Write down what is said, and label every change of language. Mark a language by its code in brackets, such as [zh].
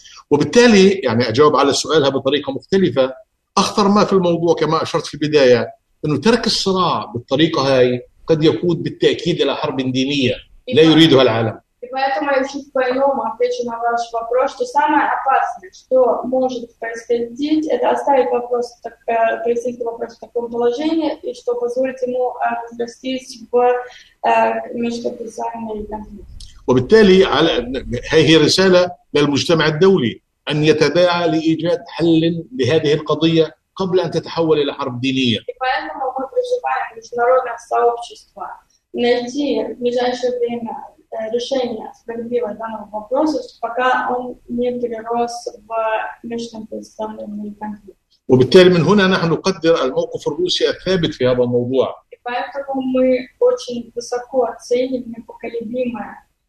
[ar] وبالتالي يعني أجاوب على سؤالها بطريقة مختلفة. أخطر ما في الموضوع كما أشرت في البداية إنه ترك الصراع بالطريقة هاي قد يقود بالتأكيد إلى حرب دينية لا يريدها العالم. [ru] Поэтому я чуть по-иному отвечу на ваш вопрос, что самое опасное, что может происходить, это оставить вопрос, прояснить вопрос в таком положении, и что позволит ему разрастись в межконфессиональный конфликт. [ar] وبالتالي على هذه رسالة للمجتمع الدولي أن يتداعى لإيجاد حل لهذه القضية قبل أن تتحول إلى حرب دينية. [ru] Поэтому мы призываем международное сообщество найти в ближайшее время решение справедливо данного вопроса, пока он не перерос в межконфессиональный конфликт. [ar] وبالتالي من هنا نحن نقدر الموقف الروسي الثابت في هذا الموضوع. [ru] Поэтому мы очень высоко оценим непоколебимое